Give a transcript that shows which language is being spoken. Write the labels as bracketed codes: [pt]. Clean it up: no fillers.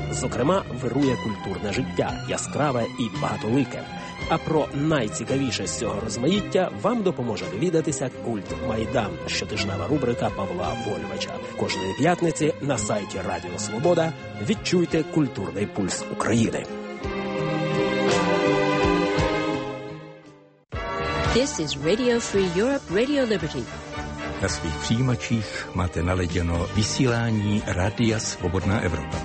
[uk] Зокрема, вирує культурне життя, яскраве і багатолике. А про найцікавіше з цього розмаїття вам допоможе довідатися «Культ Майдан» – щотижнева рубрика Павла Вольвача. Кожної п'ятниці на сайті Радіо Свобода відчуйте культурний пульс України. [en] This is Radio Free Europe, Radio Liberty. [cs] Na svých přijímačích máte naleděno vysílání Rádia Svobodná Evropa.